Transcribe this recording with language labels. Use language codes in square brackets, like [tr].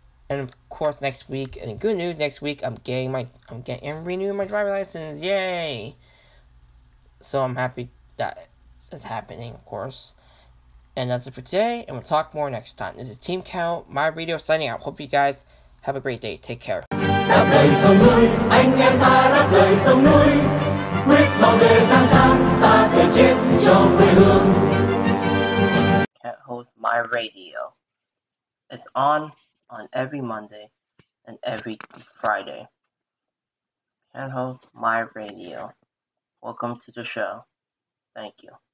[en] And of course, next week, and good news, next week, I'm renewing my driver's license. Yay! So I'm happy that it's happening, of course. And that's it for today, and we'll talk more next time. This is Team Count, my radio signing out. Hope you guys have a great day. Take care. [vi] Đáp lời sông núi, anh em ta đáp lời sông núi. Quyết bảo vệ sáng sáng, ta thề chết cho quê hương. [en] Can't host my radio. It's on every Monday and every Friday. Handheld My Radio. Welcome to the show. Thank you.